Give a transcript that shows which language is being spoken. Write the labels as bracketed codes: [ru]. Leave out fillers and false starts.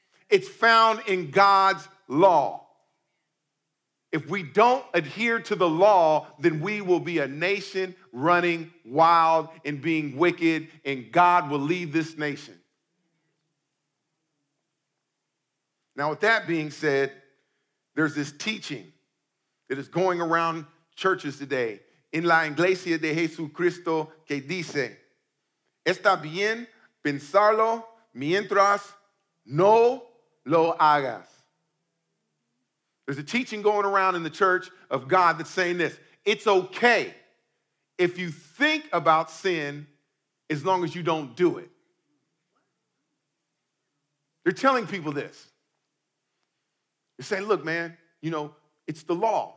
[en] It's found in God's law. If we don't adhere to the law, then we will be a nation running wild and being wicked, and God will leave this nation. Now, with that being said, there's this teaching that is going around churches today. [es] En la iglesia de Jesucristo que dice, está bien pensarlo mientras no lo hagas. [en] There's a teaching going around in the church of God that's saying this. It's okay if you think about sin as long as you don't do it. They're telling people this. They're saying, look, man, you know, it's the law.